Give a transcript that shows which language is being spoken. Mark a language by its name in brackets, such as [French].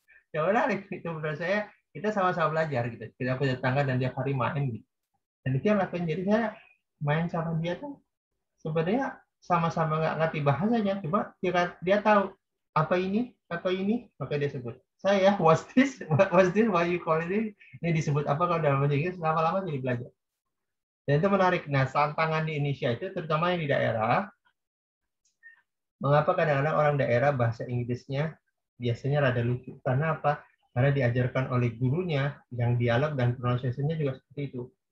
[Indonesian] Ya menarik, itu menurut saya, kita sama-sama belajar, gitu. Kita punya tangga dan dia hari main, gitu. Dan itu yang lakukan, jadi saya main sama dia tuh, sebenarnya sama-sama nggak ngerti bahasanya, cuma dia tahu, apa ini, maka dia sebut. Saya, [English] what's this, why you call it this? [Indonesian] Ini disebut apa kalau dalam bahasa Inggris, lama-lama jadi belajar. Dan itu menarik. Nah, tantangan di Indonesia itu, terutama yang di daerah, mengapa kadang-kadang orang daerah bahasa Inggrisnya biasanya rada lucu? Karena apa? Karena diajarkan oleh gurunya yang dialog dan pronunciation-nya juga seperti itu.